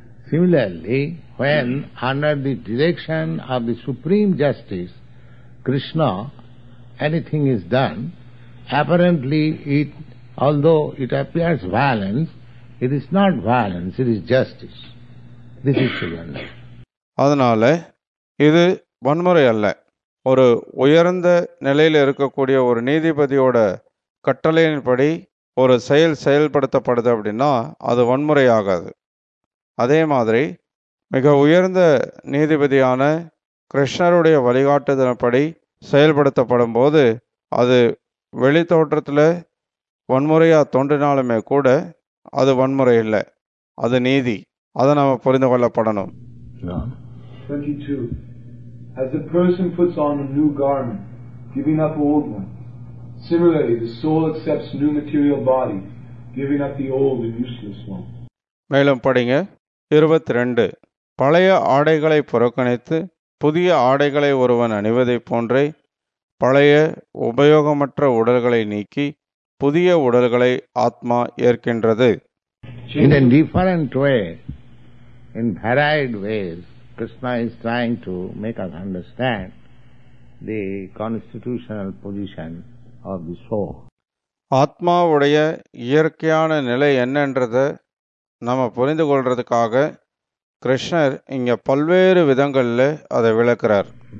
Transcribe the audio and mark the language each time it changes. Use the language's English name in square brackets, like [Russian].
[English] Similarly, when under the direction of the Supreme Justice, Krishna, anything is done, apparently it, although it appears violence, it is not violence, it is justice. This is to be understood. [Tamil] அதனால இது வன்முறை அல்ல. ஒரு உயர்ந்த நிலையில் இருக்கக்கூடிய ஒரு நீதிபதியோட கட்டளையின்படி ஒரு செயல் செயல்படுத்தப்படுது அப்படின்னா அது வன்முறை ஆகாது. அதே மாதிரி மிக உயர்ந்த நீதிபதியான கிருஷ்ணருடைய வழிகாட்டுதலின்படி செயல்படுத்தப்படும் போது அது வெளி தோற்றத்தில் வன்முறையாக தோன்றினாலுமே கூட அது வன்முறை இல்லை, அது நீதி. அதை நாம் புரிந்து கொள்ளப்படணும். [English] 22. As a person puts on a new garment, giving up old ones, similarly the soul accepts new material body, giving up the old and useless one. [Tamil] மேலும் படிங்க 22. பழைய ஆடைகளை புறக்கணித்து புதிய ஆடைகளை ஒருவன் அணிவதை போன்றே பழைய உபயோகமற்ற உடல்களை நீக்கி புதிய உடல்களை ஆத்மா ஏற்கின்றது. [English] In a different way, in varied ways, Krishna is trying to make us understand the constitutional position of the soul. [Tamil] ஆத்மாவுடைய இயற்கையான நிலை என்னன்றதை நாம் புரிந்து கொள்றதுக்காக கிருஷ்ணர் இங்க பல்வேறு விதங்களில் அதை விளக்குறார்.